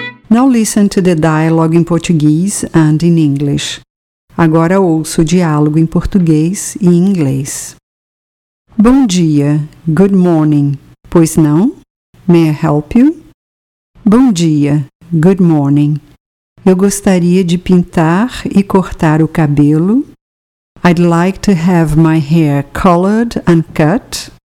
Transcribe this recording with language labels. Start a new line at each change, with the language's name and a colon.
English: Now listen to the dialogue in Portuguese and in English.
Portuguese: Agora ouça o diálogo em português e em inglês. Bom dia.
English: Good morning.
Portuguese: Pois não?
English: May I help you?
Portuguese: Bom dia.
English: Good morning.
Portuguese: Eu gostaria de pintar e cortar o cabelo.
English: I'd like to have my hair colored and cut.